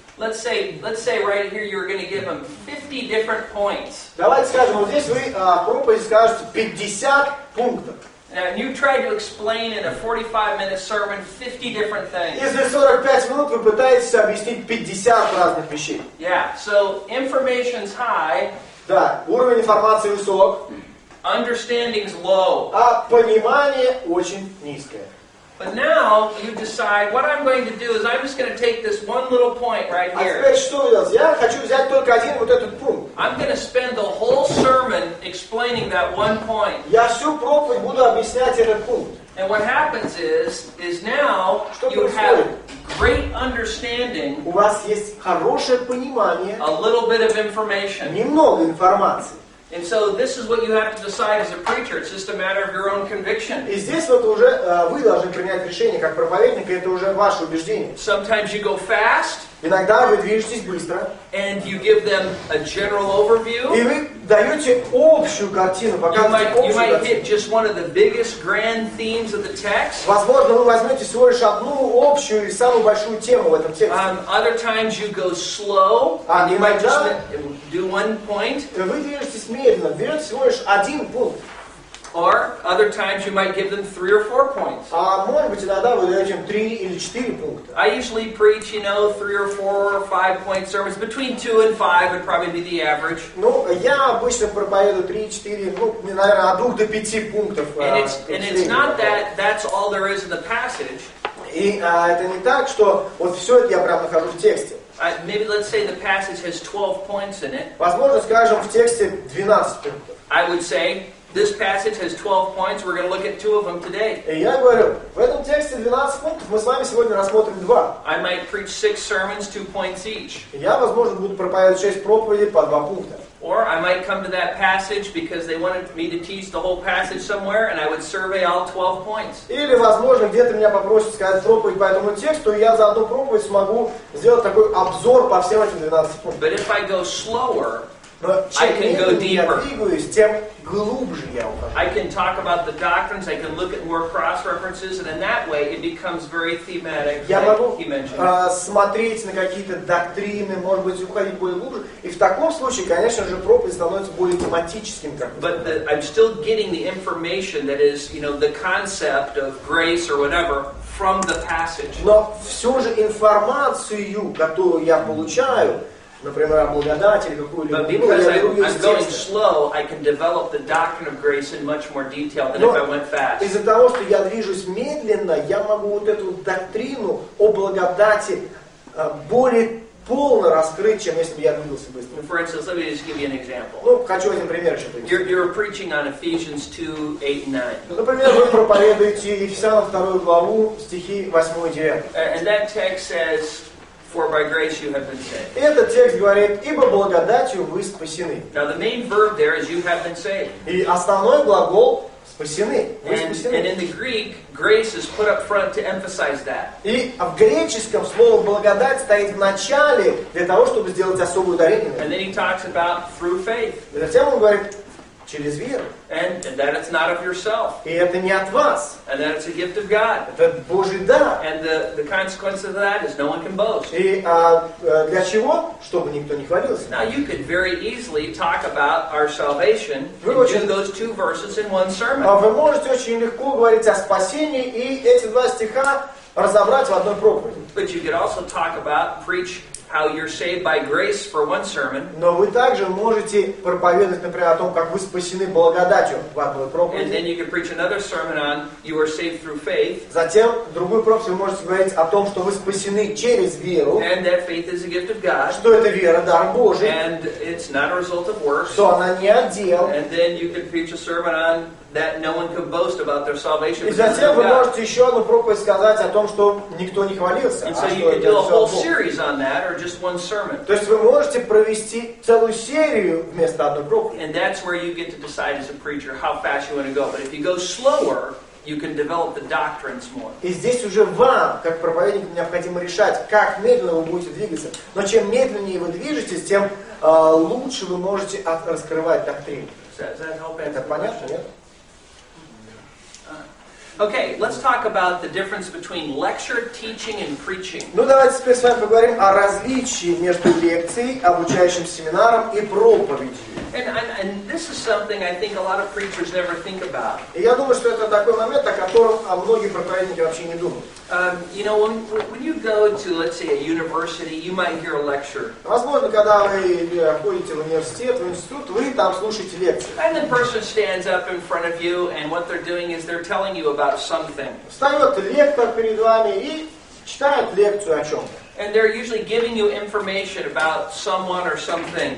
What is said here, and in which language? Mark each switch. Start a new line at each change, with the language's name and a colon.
English: Let's say right here you're going to give them 50 different points.
Russian: Давайте скажем, вот здесь вы проповедь скажете 50 пунктов.
English: Now, and you try to explain in a 45-minute sermon 50 different things.
Russian: Если 45 минут вы пытаетесь объяснить 50 разных вещей.
English: Yeah, so information's high.
Russian: Да, уровень информации высок.
English: Understanding's low.
Russian: А понимание очень низкое.
English: But now you decide what I'm going to do is I'm just going to take this one little point right here.
Russian: А теперь что делать? Я хочу взять только один вот этот пункт.
English: I'm going to spend the whole sermon explaining that one point.
Russian: Я всю проповедь буду объяснять этот пункт.
English: And what happens is now you have great understanding.
Russian: У вас есть хорошее понимание.
English: A little bit of information.
Russian: Немного информации.
English: And so this is what you have to decide as a preacher. It's just a matter of your own conviction.
Russian: И здесь вот уже вы должны принять решение как проповедник, и это уже ваше убеждение.
English: Sometimes you go fast.
Russian: Иногда вы движетесь быстро.
English: And you give them a general overview.
Russian: И вы даете общую картину, показываете
English: You might hit just one of the biggest grand themes of the text.
Russian: Возможно, вы возьмете всего лишь одну общую или самую большую тему в этом тексте.
English: Other times you go slow. And you might just do one point.
Russian: Вы движетесь медленно, берете всего лишь один пункт.
English: Or other times you might give them 3 or 4 points.
Russian: А может быть иногда вы даете им 3 или 4 пункта.
English: I usually preach, you know, 3 or 4 or 5 point sermons. Between 2 and 5 would probably be the average.
Russian: Ну я обычно проповедую 3-4, ну наверное от 2 до 5 пунктов.
English: And it's not that that's all there is in the passage.
Russian: И это не так, что вот все это я прям нахожу в тексте.
English: Maybe let's say the passage has 12 points in it.
Russian: Возможно, скажем, в тексте 12 пунктов.
English: I would say this passage has 12 points. We're going to look at 2 of them today.
Russian: Я говорю, в этом тексте 12 пунктов, мы с вами сегодня рассмотрим 2.
English: I might preach 6 sermons, 2 points each.
Russian: Я, возможно, буду проповедовать 6 проповедей по 2 пункта.
English: Or I might come to that passage because they wanted me to teach the whole passage somewhere and I would survey all 12 points.
Russian: Или, возможно, где-то меня попросят сказать проповедь по этому тексту, и я за одну проповедь смогу сделать такой обзор по всем этим 12 пунктам.
English: But if I go slower,
Russian: но чем медленнее я двигаюсь, тем глубже я ухожу.
English: I can talk about the doctrines, I can look at more cross-references, and in that way it becomes very thematic,
Russian: я
English: like
Russian: могу,
English: he mentioned.
Russian: Я могу смотреть на какие-то доктрины, может быть, уходить более глубже. И в таком случае, конечно же, проповедь становится более тематическим.
English: But I'm still getting the information that is, you know, the concept of grace or whatever from the passage.
Russian: Но все же информацию, которую я получаю, например, благодать или какую-либо другую
English: But because I'm going slow, I can develop the doctrine of grace in much more detail than
Russian: Но
English: if I went fast.
Russian: Из-за того, что я движусь медленно, я могу вот эту доктрину о благодати более полно раскрыть, чем если бы я двигался быстро.
English: For instance, let me just give you an example.
Russian: Ну, хочу один пример еще привести.
English: You're preaching on Ephesians 2:8-9.
Russian: Например, вы проповедуете Ефесянам 2 главу, стихи 8-9.
English: And that text says, for by grace you have been saved.
Russian: И этот текст говорит, ибо благодатью вы спасены.
English: Now the main verb there is you have been saved.
Russian: И основной глагол спасены. Вы спасены.
English: And in the Greek, grace is put up front to emphasize that.
Russian: И в греческом слово благодать стоит в начале для того, чтобы сделать особое ударение.
English: And then he talks about through faith.
Russian: И затем он говорит, через веру.
English: And that it's not of yourself.
Russian: И это не от вас.
English: And that it's a gift of God.
Russian: Это Божий дар.
English: And the consequence of that is no one can boast.
Russian: И для чего? Чтобы никто не хвалился.
English: Now you could very easily talk about our salvation and do those two verses in one sermon.
Russian: Вы можете очень легко говорить о спасении и эти два стиха разобрать в одной проповеди.
English: But you could also talk about, preach how you're saved by grace for one sermon.
Russian: Но вы также можете проповедовать, например, о том, как вы спасены благодатью в одной проповеди.
English: And then you can preach another sermon on you are saved through faith.
Russian: Затем в другой проповеди вы можете говорить о том, что вы спасены через веру.
English: And that faith is a gift of God.
Russian: Что это вера, дар Божий.
English: And it's not a result of works.
Russian: Что она не от дел.
English: And then you can preach a sermon on that no one can boast about their salvation.
Russian: И затем вы можете еще одну проповедь сказать о том, что никто не хвалился.
English: And so you can do a whole series on that, or just one sermon.
Russian: То есть вы можете провести целую серию вместо одной проповеди.
English: And that's where you get to decide as a preacher how fast you want to go. But if you go slower, you can develop the doctrines more.
Russian: И здесь уже вам, как проповеднику, необходимо решать, как медленно вы будете двигаться. Но чем медленнее вы движетесь, тем лучше вы можете раскрывать доктрины.
English: Does that help answer?
Russian: Это понятно, нет?
English: Okay, let's talk about the difference between lecture, teaching, and preaching.
Russian: Ну давайте теперь с вами поговорим о различии между лекцией, обучающим семинаром и проповедью.
English: And this is something I think a lot of preachers never think about.
Russian: И я думаю, что это такой момент, о котором многие проповедники вообще не думают.
English: You know, when you go to, let's say, a university, you might hear a lecture.
Russian: Возможно, когда вы ходите в университет, в институт, вы там слушаете лекции.
English: And the person stands up in front of you, and what they're doing is they're telling you about something.
Russian: Встает лектор перед вами и читает лекцию о чем-то.
English: And they're usually giving you information about someone or something.